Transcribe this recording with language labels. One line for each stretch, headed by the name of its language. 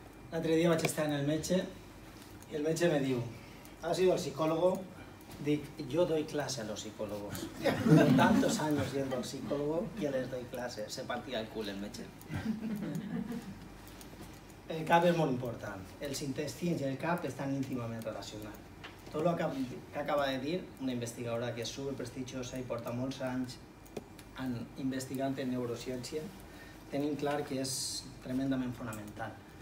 Catalan: L'altre dia vaig estar en el metge i el metge me diu,
Spanish: has ido al psicólogo?
Catalan: Dic,
Spanish: yo doy clase a los psicólogos. Con tantos años yendo al psicólogo, yo les doy clase. Se partía
Catalan: el cul el metge. El cap és molt important. Els intestins i el cap estan íntimament relacionats. Tot el que acaba de dir una investigadora que és superprestigiosa i porta molts anys investigant en neurociència, tenim clar que és tremendament fonamental.